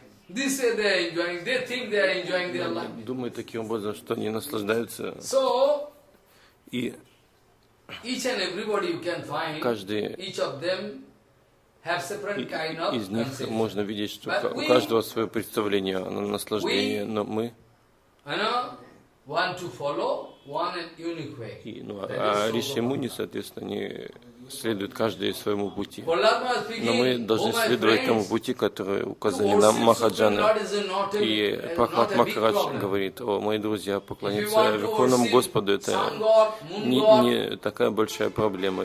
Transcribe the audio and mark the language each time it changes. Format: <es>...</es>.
<en>This way they are enjoying, they think they are enjoying their life.</en> <ru>Думаю таким образом, что они наслаждаются.</ru> <en>So, each and everybody you can find,</en> <ru>каждый,</ru> <en>each of them have separate kind of consciousness.</en> <ru>Из них можно видеть, что у каждого свое представление о наслаждении, но мы,</ru> <en>you know, want to follow one and unique way.</en> <ru>А Риши Муни, соответственно, они следуют каждому своему пути. Но мы должны следовать тому пути, который указан нам Махаджаной. И Пахват Махарадж говорит: «О, мои друзья, поклониться Верховному Господу – это не такая большая проблема.</ru>